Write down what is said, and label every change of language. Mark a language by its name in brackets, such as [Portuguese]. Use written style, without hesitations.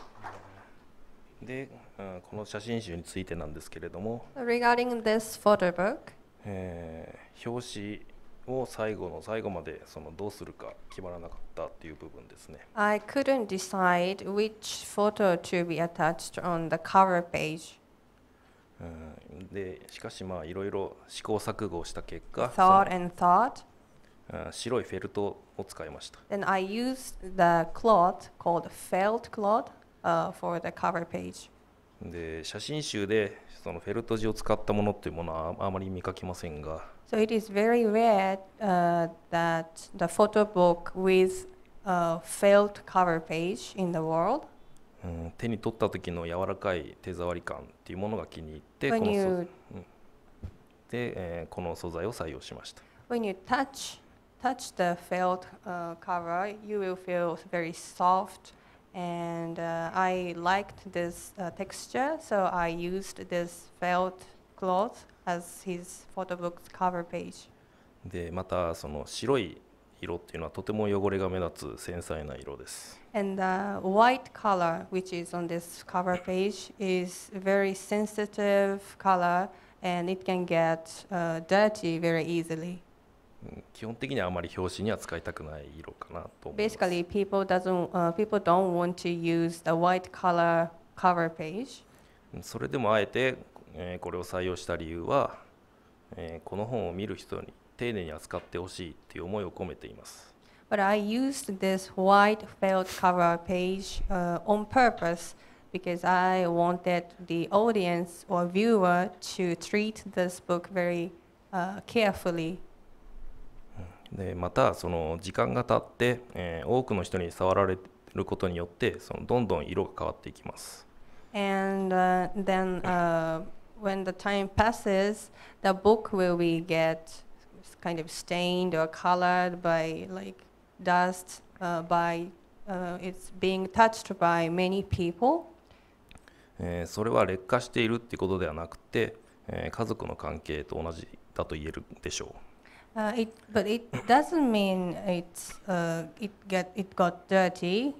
[Japanese] この写真集についてなんですけれども、 [English] Regarding this photo book, [Japanese] 表紙を最後の最後までそのどうするか決まらなかったっていう部分ですね。 [English] I couldn't decide which photo to be attached on the cover page. [Japanese] で、しかしまあいろいろ試行錯誤した結果、 [English] Thought and thought. [Japanese] 白いフェルトを使いました。 [English] And I used the cloth called felt cloth, for the cover page. [Japanese] で写真集でそのフェルト地を使ったものっていうものはあまり見かけませんが、 [English] So it is very rare, that the photo book with a felt cover page in the world. [Japanese] 手に取った時の柔らかい手触り感っていうものが気に入って、 [English] When you... [Japanese] で、この素材を採用しました。 [English] When you touch the felt, cover, you will feel very soft. And, I liked this, texture, so I used this felt cloth as his photo book's cover page. [Japanese] で、またその白い色っていうのはとても汚れが目立つ繊細な色です。 [English] And the white color, which is on this cover page, is very sensitive color, and it can get, dirty very easily. [Japanese] 基本的にはあまり表紙には使いたくない色かなと思います [English] Basically, people don't want to use the white color cover page. [Japanese] それでもあえて、これを採用した理由は、この本を見る人に丁寧に扱ってほしいっていう思いを込めています。 [English] But I used this white felt cover page, on purpose because I wanted the audience or viewer to treat this book very, carefully. [Japanese] でまたその時間が経って、多くの人に触られることによってそのどんどん色が変わっていきます。 [English] And, then, when the time passes, the book will be get kind of stained or colored by like dust, by, it's being touched by many people. [Japanese] それは劣化しているってことではなくて、家族の関係と同じだと言えるでしょう。 [English] But it doesn't mean it's, it got dirty.